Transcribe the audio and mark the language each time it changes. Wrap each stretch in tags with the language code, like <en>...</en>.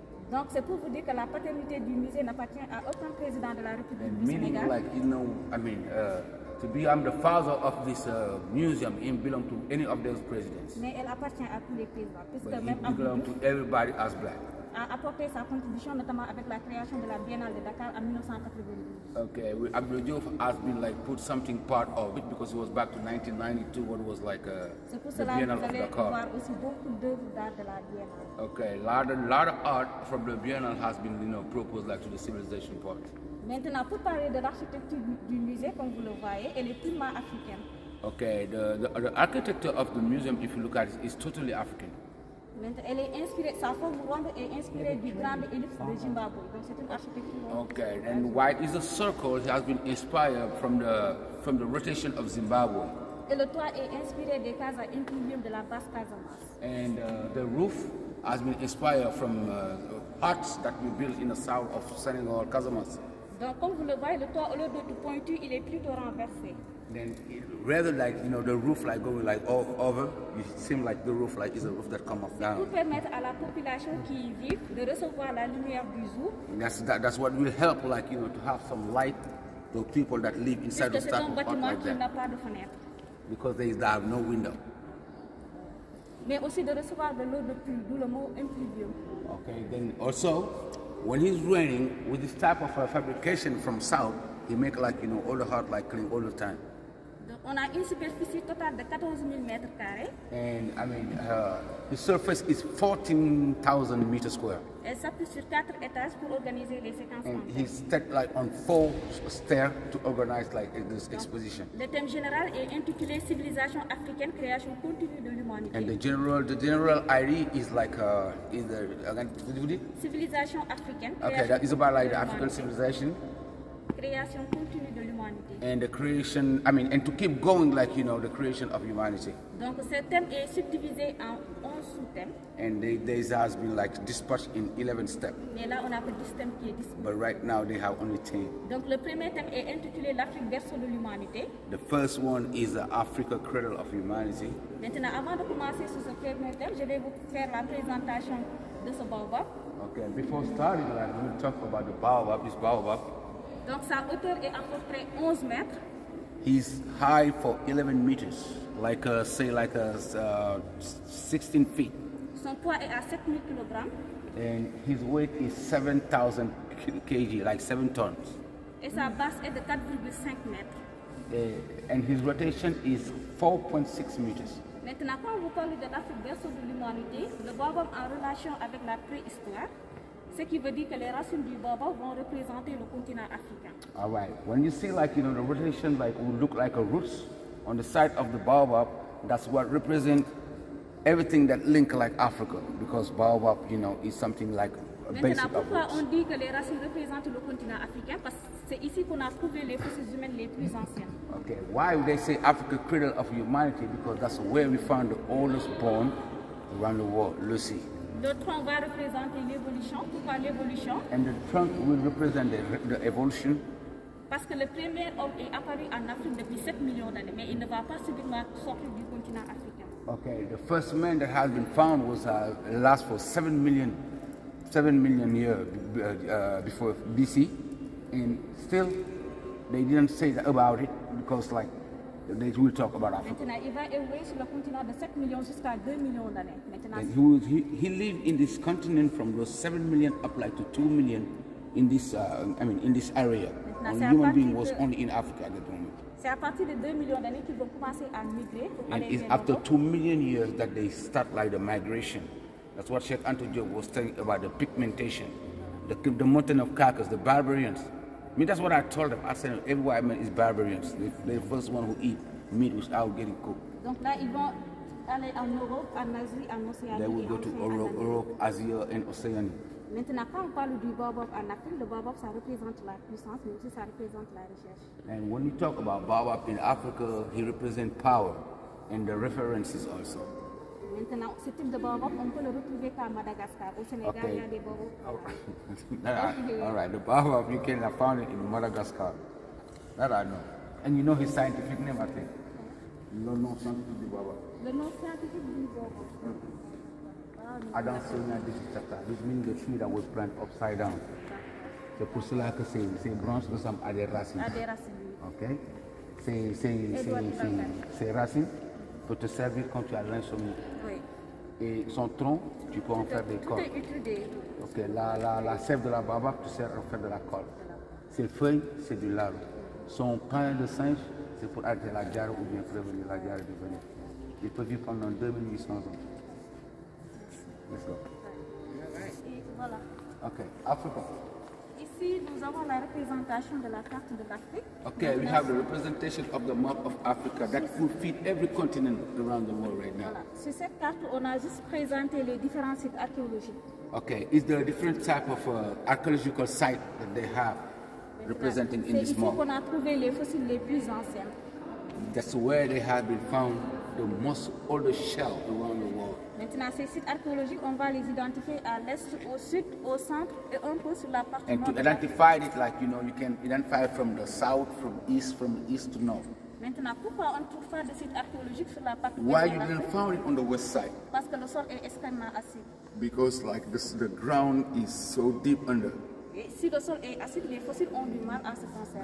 <fr>Donc c'est pour vous dire que la paternité du musée n'appartient à aucun président de la République du Sénégal.</fr> <en>Meaning, like, you know, I mean, I'm the father of this museum. It belong to any of those presidents.</en> <fr>Mais elle appartient à tous les présidents, puisque même à</fr> <en>belong to everybody as black.</en> <fr>A apporté sa contribution notamment avec la création de la Biennale de Dakar en 1992.</fr> <en>Okay, Abdou Diouf has been like put something part of it because it was back to 1992 what was like the Biennale of Dakar.</en> <fr>Voir aussi beaucoup d'œuvres d'art de la Biennale.</fr> <en>Okay, lot of art from the Biennale has been, you know, proposed like to the civilization part.</en> <fr>Maintenant, pour parler de l'architecture du musée, comme vous le voyez, elle est purement africaine.</fr> <en>Okay, the architecture of the museum, if you look at it, is totally African.</en> <fr>Elle est inspirée, sa forme ronde est inspirée du grand ellipse de Zimbabwe. Donc c'est une architecture.</fr> <en>Okay, and why is a circle? It has been inspired from the rotation of Zimbabwe.</en> <fr>Et le toit est inspiré des cases à inclinium de la basse Casamance.</fr> <en>And the roof has been inspired from huts that we built in the south of Senegal, Casamance.</en> <fr>Donc comme vous le voyez, le toit au lieu d'être pointu, il est plutôt renversé.</fr> <en>Then it rather like, you know, the roof like going like all over, it seems like the roof like is a roof that comes up down.</en> <fr>Pour permettre à la population qui vit de recevoir la lumière du jour.</fr> <en>That's what will help, like, you know, to have some light to people that live inside of that apartment.</en> <fr>Parce que c'est un bâtiment qui n'a pas de fenêtre.</fr> <en>Because they have no window.</en> <fr>Mais aussi de recevoir de l'eau de pluie, d'où le mot impluvium.</fr> <en>Okay, then also, when it's raining, with this type of fabrication from south, he make like, you know, all the heart like clean all the time.</en> <fr>On a une superficie totale de 14,000 mètres carrés.</fr> <en>And I mean, the surface is 14,000 meters square.</en> <fr>Elle s'appuie sur quatre étages pour organiser les séquences.</fr> <en>And he's like on four stairs to organize like this exposition.</en> <fr>Le thème général est intitulé Civilisation africaine, création continue de l'humanité.</fr> <en>And the general idea is like</en> <fr>Civilisation africaine.</fr> <en>Okay, that is about like the African civilization.</en> <fr>Création continue de l'humanité.</fr> <en>And the creation, I mean, and to keep going, like, you know, the creation of humanity.</en> <fr>Donc ce thème est subdivisé en 11 sous-thèmes.</fr> <en>And this has been like dispatched in 11 steps.</en> <fr>Mais là on a que 10 thèmes qui est dispatché.</fr> <en>But right now they have only 10.</en> <fr>Donc le premier thème est intitulé l'Afrique berceau de l'humanité.</fr> <en>The first one is the Africa cradle of humanity.</en> <fr>Maintenant avant de commencer sur ce premier thème, je vais vous faire la présentation de ce baobab.</fr> <en>Okay, before starting, like, we'll talk about the baobab. This baobab.</en> <fr>Donc sa hauteur est à peu près 11 mètres.</fr> <en>He's high for 11 meters, like a, say like a 16 feet.</en> <fr>Son poids est à 7000 kg.</fr> <en>And his weight is 7000 kg, like 7 tons.</en> <fr>Et sa base est de 4,5 mètres.</fr> <en>And his rotation is 4.6 meters.</en> <fr>Maintenant, quand vous parlez de l'Afrique berceau de l'humanité, le baobab en relation avec la préhistoire. Ce qui veut dire que les racines du baobab vont représenter le continent africain.</fr> <en>All right. When you see, like, you know, the rotation, like, will look like a roots on the side of the baobab, that's what represent everything that link like Africa, because baobab, you know, is something like a basic of roots.</en> <fr>Pourquoi on dit que les racines représentent le continent africain? Parce que c'est ici qu'on a trouvé les fossiles humains les plus anciens.</fr> <en>Okay. Why would they say Africa cradle of humanity? Because that's where we found the oldest bone around the world, Lucy.</en> <fr>Le tronc va représenter l'évolution. Pourquoi l'évolution?</fr> <en>And the trunk will represent the evolution.</en> <fr>Parce que le premier homme est apparu en Afrique depuis 7 millions d'années, mais il ne va pas subitement sortir du continent africain.</fr> <en>Okay, the first man that has been found was last for 7 million years before BC, and still they didn't say that about it because, like, they will talk about Africa.</en> <fr>Maintenant, il va évoluer sur le continent de 7 millions jusqu'à 2 millions d'années. Maintenant,</fr> <en>he lived in this continent from those 7 million up like to 2 million in this, in this area.</en> <fr>Maintenant,</fr> <en>the human being was only in Africa at the moment.</en> <fr>C'est à partir de 2 millions d'années qu'ils vont commencer à migrer.</fr> <en>And it's after 2 million years that they start like the migration. That's what Cheikh Anto Diop was telling about the pigmentation. The mountain of carcass, the barbarians. I mean, that's what I told them. I said, everywhere I met is barbarians. They're the first one who eat meat without getting cooked.</en> <fr>Donc là, ils vont aller en Europe, en Asie, en Océanie.</fr> <en>They will go to Europe, Asia, and Oceania.</en> <fr>Maintenant, quand on parle du baobab en Afrique, le baobab, ça représente la puissance, mais aussi ça représente la recherche.</fr> <en>And when you talk about baobab in Africa, he represents power and the references also.</en> <fr>Maintenant, ce type de baobab, on peut le retrouver qu'à Madagascar. Au Sénégal,</fr> <en>okay.</en> <fr>Il y a des baobabs.</fr> <en>All right, the baobab, you can have found it in Madagascar. That I know. And you know his scientific name, I think.</en> <fr>Le nom scientifique du baba. Le nom scientifique du baba. Adam Seigneur dit que c'est ça. Le mine de chine,</fr> <en>that we plant upside down.</en> <fr>C'est pour cela que ces branches ressemblent à des racines. À des racines. Ok. Ces racines peuvent te servir quand tu as l'insomnie. Oui. Et son tronc, tu peux en faire des cordes. Tout est utilisé. Ok. La sève de la baba, tu sers à faire de la colle. Ses feuilles, c'est du lard. Son pain de singe, c'est pour arrêter la diarrhée ou bien prévenir la diarrhée de venir. Il peut vivre pendant 2800 ans.</fr> <en>Let's go.</en> <fr>Voilà.</fr> <en>Ok. Africa.</en> <fr>Ici, nous avons la représentation de la carte de l'Afrique.</fr> <en>Ok, we have the representation of the map of Africa that will feed every continent around the world right now.</en> <fr>Voilà. Sur cette carte, on a juste présenté les différents sites archéologiques.</fr> <en>Ok. Is there a different type of archaeological site that they have? Representing in this mall.</en> <fr>Qu'on a trouvé les fossiles les plus anciens.</fr> <en>That's where they have been found the most older shell around the world.</en> <fr>Maintenant, ces sites archéologiques, on va les identifier à l'est, au sud, au centre et un peu sur la partie nord.</fr> <en>And to identify it, like you know, you can identify from the south, from east to north.</en> <fr>Maintenant, pourquoi on trouve pas de sites archéologiques sur la partie nord?</fr> <en>Why you didn't found it on the west side?</en> <fr>Parce que le sol est extrêmement acide.</fr> <en>Because like this, the ground is so deep under.</en> <fr>Et si le sol est acide, les fossiles ont du mal à se conserver.</fr>